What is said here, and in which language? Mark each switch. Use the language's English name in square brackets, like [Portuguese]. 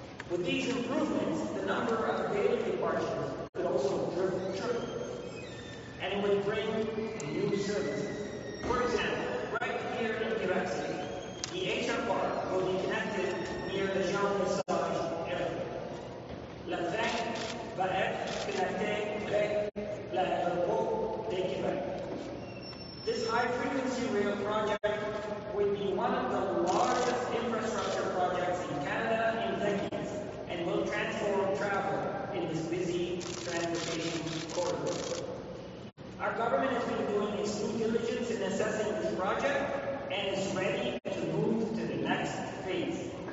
[English] With these improvements, the number of daily departures could also triple, and it would bring new services. For example, right here in Quebec City, the HFR will be connected near the Jean Lesage Airport. [French] La train va être connectée avec l'aéroport de Québec. [English] This high-frequency rail project would be one of the largest infrastructure projects in Canada in decades, and will transform travel in this busy transportation corridor. Our government has been doing its due diligence in assessing this project and is ready to move to the next phase.